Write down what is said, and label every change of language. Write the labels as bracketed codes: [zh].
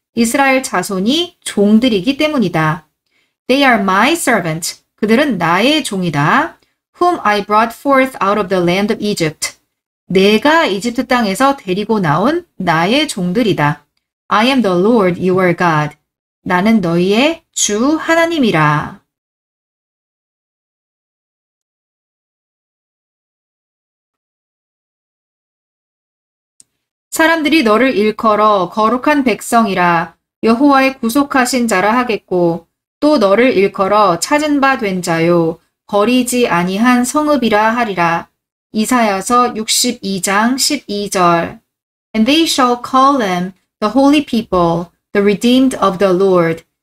[ko] 이스라엘 자손이 종들이기 때문이다. [en] They are my servants. [ko] 그들은 나의 종이다. [en] Whom I brought forth out of the land of Egypt. [ko] 내가 이집트 땅에서 데리고 나온 나의 종들이다. [en] I am the Lord your God. [ko] 나는 너희의 주 하나님이라. 사람들이 너를 일컬어 거룩한 백성이라 여호와의 구속하신 자라 하겠고 또 너를 일컬어 찾은 바 된 자요 버리지 아니한 성읍이라 하리라. 이사야서 62장 12절 [en] And they shall call them the holy people, the redeemed of the Lord.